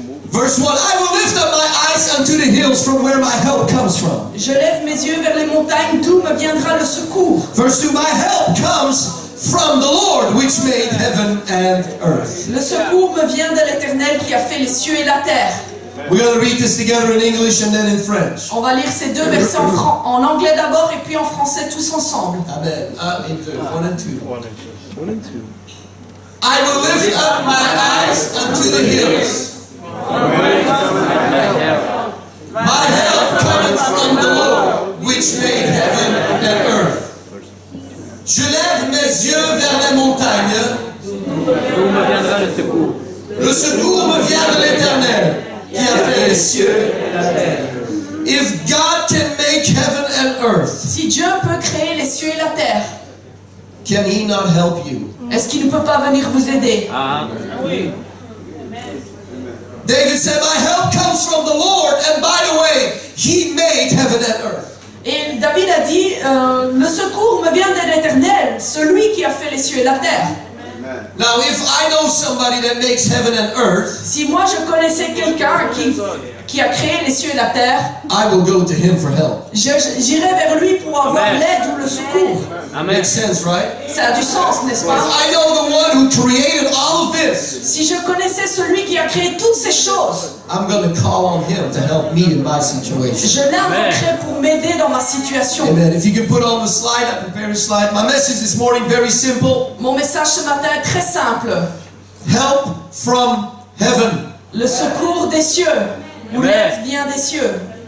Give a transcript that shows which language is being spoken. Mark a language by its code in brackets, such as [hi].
[en] Verse 1, I will lift up my eyes unto the hills from where my help comes from. [fr] Je lève mes yeux vers les montagnes d'où me viendra le secours. [en] Verse 2, my help comes from the Lord which made heaven and earth. [fr] Le secours me vient de l'Éternel qui a fait les cieux et la terre. [en] We're going to read this together in English and then in French. [fr] On va lire ces deux versets en anglais d'abord et puis en français tous ensemble. [en] Amen. Amen. One and two. One and two. One and two. I will lift up my eyes unto the hills. My help cometh from the Lord, which made heaven and earth. [fr] Je lève mes yeux vers les montagnes. D'où me viendra le secours? Le secours me vient de l'Éternel, qui a fait les cieux et la terre. [en] If God can make heaven and earth, [fr] si Dieu peut créer les cieux et la terre, [en] can He not help you? [fr] Est-ce qu'il ne peut pas venir vous aider? [en] Amen. David said, "My help comes from the Lord, and by the way, He made heaven and earth." [fr] Et David a dit, "Le secours me vient de l'Éternel, celui qui a fait les cieux et la terre." [en] Now, if I know somebody that makes heaven and earth, [fr] si moi je connaissais quelqu'un qui a créé les cieux et la terre, [en] I will go to him for help. [fr] J'irai vers lui pour avoir l'aide ou le secours. [en] Amen. Makes sense, right? [fr] Ça a du sens, n'est-ce pas? [en] I know the one who created all of this. [fr] Si je connaissais celui qui a créé toutes ces choses, [en] I'm going to call on him to help me in my situation. [fr] Je l'invoquerai pour m'aider dans ma situation. [en] Amen. If you can put on the slide, I prepared a slide. My message this morning, very simple. [fr] Mon message ce matin est très simple. Help from heaven. Le secours des cieux. Ou l'aide vient des cieux.